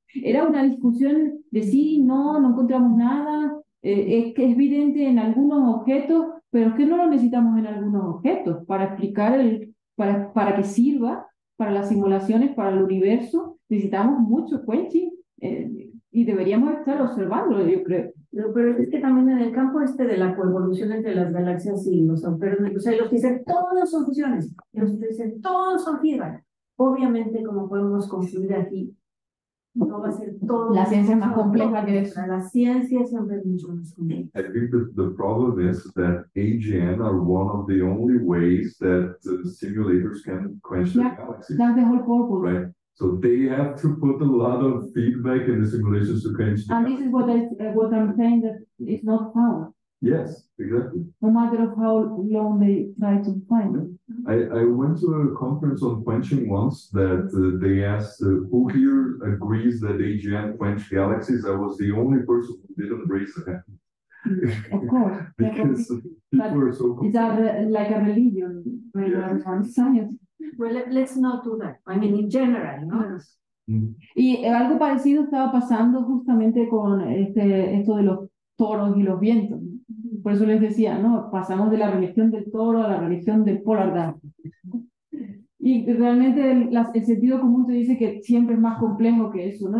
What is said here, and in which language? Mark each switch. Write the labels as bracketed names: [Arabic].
[Spanish] era una discusión de sí, no encontramos nada, es que es evidente en algunos objetos, pero es que no lo necesitamos en algunos objetos para explicar, para que sirva para las simulaciones, para el universo, necesitamos mucho quenching y deberíamos estar observándolo, yo creo. Pero es que también en el campo este de la coevolución entre las galaxias y los agujeros negros, o sea, los que dicen todos son fusiones, los que dicen todos son feedback. Obviamente, como podemos concluir aquí, no va a ser todo. La ciencia es más compleja que eso. La ciencia siempre es mucho más compleja. [English] I think that the problem is that AGN are one of the only ways that simulators can quench the galaxies. That's the whole purpose. Right. So they have to put a lot of feedback in the simulations to quench. And this is what I'm saying, that it's not found. Yes, exactly. No matter of how long they try to find it. I went to a conference on quenching once that they asked who here agrees that AGN quench galaxies. I was the only person who didn't raise a hand. Of course. Because people are so confused. It's like a religion, right? Science. Well, let's not do that. I mean, in general, ¿no? [Spanish] Mm-hmm. Y algo parecido estaba pasando justamente con esto de los toros y los vientos. Por eso les decía, ¿no? Pasamos de la religión del toro a la religión del polar dark. Y realmente el sentido común te dice que siempre es más complejo que eso, ¿no?